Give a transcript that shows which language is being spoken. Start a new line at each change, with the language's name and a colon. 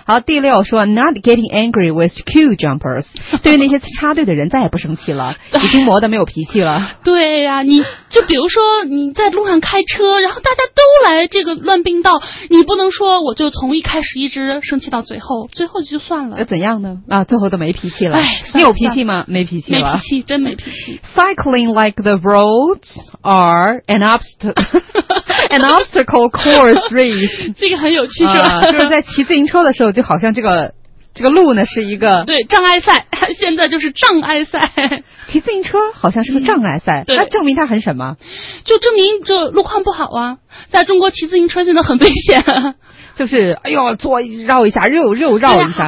Chinese: 好，第六说
English: not getting angry with queue jumpers，
Chinese: 对那些插队的人再也不生气了，已经磨得没有脾气了。对呀、你就比如说你在路上开车，然后大家都来这个乱并道，你不能说我就从一开始一直生气到最后，最后就算了。怎样呢？啊，最后都没脾气了。哎，你有脾气吗？没脾气了。没脾气，真没脾气。
English: Cycling like the roads are an obstacle course race，
Chinese: 这个很有趣是吧、就是在骑自行车的时候，就好像这个路呢是一个对障碍赛，现在就是障碍赛。骑自行车好像是个障碍赛，那、证明它很什么？就证明这路况不好啊！在中国骑自行车现在很危险。就是哎呦，左绕一下，右绕一下。